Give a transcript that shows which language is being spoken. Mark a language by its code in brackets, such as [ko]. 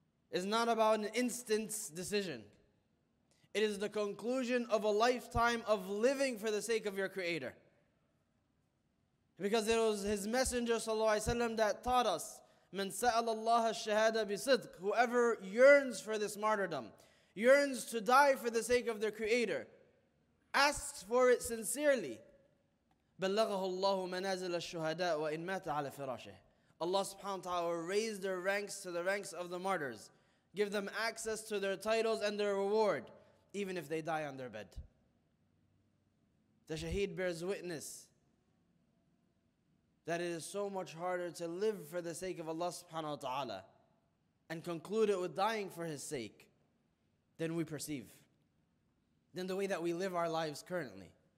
[en] It's not about an instant's decision. It is the conclusion of a lifetime of living for the sake of your Creator. Because it was His Messenger sallallahu alayhi wa sallam that taught us, [ar] من سأل الله الشهادة بصدق, [en] whoever yearns for this martyrdom, yearns to die for the sake of their Creator, asks for it sincerely. [ar] بلغه الله منازل الشهداء وإن مات على فراشه. [en] Allah subhanahu wa ta'ala will raise their ranks to the ranks of the martyrs, give them access to their titles and their reward, even if they die on their bed. The shaheed bears witness that it is so much harder to live for the sake of Allah subhanahu wa ta'ala and conclude it with dying for His sake than we perceive, than the way that we live our lives currently.